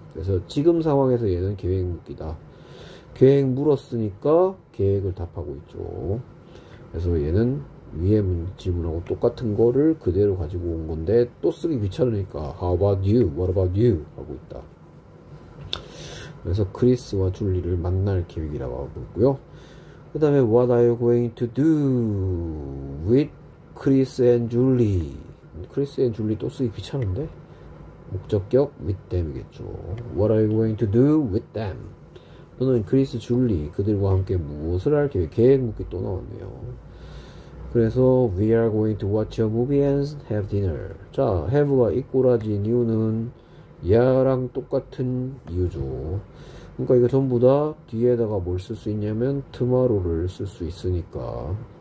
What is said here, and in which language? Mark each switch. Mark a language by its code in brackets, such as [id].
[ko] 그래서 지금 상황에서 얘는 계획이다. 계획 물었으니까 계획을 답하고 있죠. 그래서 얘는 위에 질문하고 똑같은 거를 그대로 가지고 온 건데 또 쓰기 귀찮으니까 [en] How about you? What about you? [ko] 하고 있다. 그래서 크리스와 줄리를 만날 계획이라고 하고 있고요. 그 다음에 [en] What are you going to do with Chris and Julie? [ko] Chris and Julie 또 쓰기 귀찮은데? 목적격 with them이겠죠. [en] What are you going to do with them? [ko] 또는 크리스 줄리 그들과 함께 무엇을 할 계획 묻기 또 나왔네요. 그래서 [en] we are going to watch a movie and have dinner. [ko] 자, have가 있고라진 이유는 야랑 똑같은 이유죠. 그러니까 이거 전부 다 뒤에다가 뭘쓸수 있냐면 tomorrow를 쓸수 있으니까.